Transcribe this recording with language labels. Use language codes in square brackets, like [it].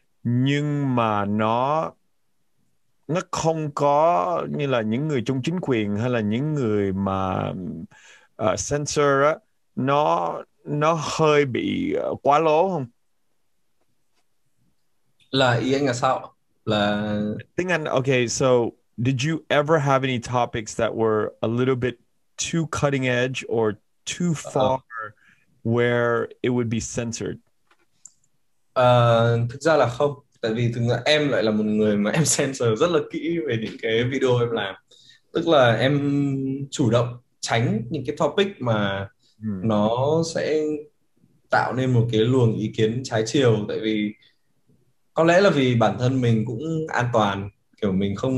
[vi] nhưng mà nó không có như là những người trong chính quyền hay là những người mà censor á, nó hơi bị quá lố không? Là ý anh là sao? Là Tiếng Anh, [en] okay, so did you ever have any topics that were a little bit too cutting edge or too far where it would be censored? [vi] Thực ra là không, tại vì thường là em lại là một người mà em censor rất là kỹ về những cái video em làm, tức là em chủ động tránh những cái topic mà nó sẽ tạo nên một cái luồng ý kiến trái chiều, tại vì có lẽ là vì bản thân mình cũng an toàn, kiểu mình